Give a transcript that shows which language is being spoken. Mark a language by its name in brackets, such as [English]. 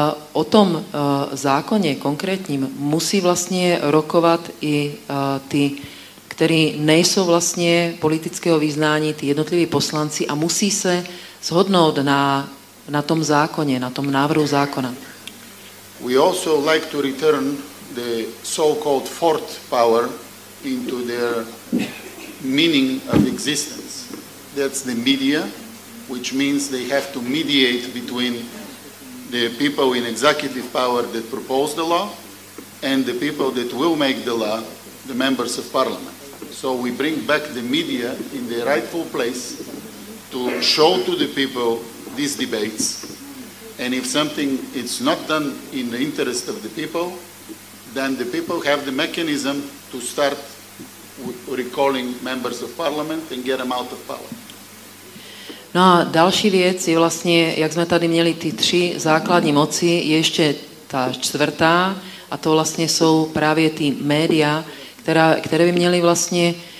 [Slovak] o tom zákone konkrétním musí vlastne rokovať i ty, ktorí nejsou vlastne politického vyznání, ty jednotliví poslanci a musí sa shodnúť na tom zákone, na tom návrhu zákona. [English] We also like to return the so-called fourth power into their meaning of existence. That's the media, which means they have to mediate between the people in executive power that propose the law and the people that will make the law, the members of parliament. So we bring back the media in the rightful place to show to the people these debates. And if something it's not done in the interest of the people, then the people have the mechanism to start recalling members of parliament and get them out of power. [Czech] No a další věc je vlastně, jak jsme tady měli ty tři základní moci, je ještě ta čtvrtá, a to vlastně jsou právě ty média, které by měly vlastně